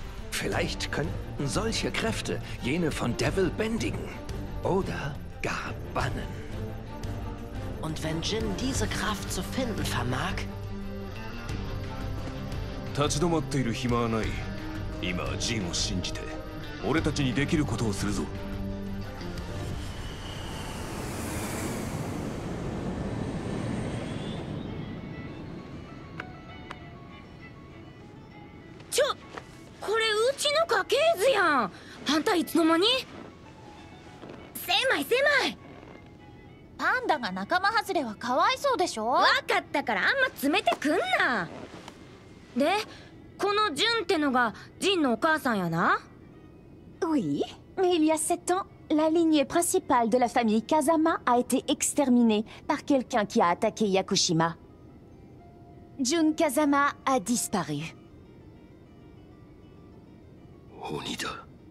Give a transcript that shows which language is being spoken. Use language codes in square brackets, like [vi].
[de] Vielleicht könnten solche Kräfte jene von Devil bändigen oder gar bannen. Und wenn Jin diese Kraft zu finden vermag, [ja] 立ち止まっている暇はない。今はジンを信じて、俺たちにできることをするぞ。ちょ、 これうちの家系図やん。あんたいつの間に？せまい。パンダが仲間外れはかわいそうでしょ。わかったからあんま詰めてくんな。で、 このジュンってのがジンのお母さんやな? [fr] Oui, il y a 7 ans, la lignée principale de la famille Kazama a été exterminée par quelqu'un qui a attaqué Yakushima. Jun Kazama a disparu. Onida.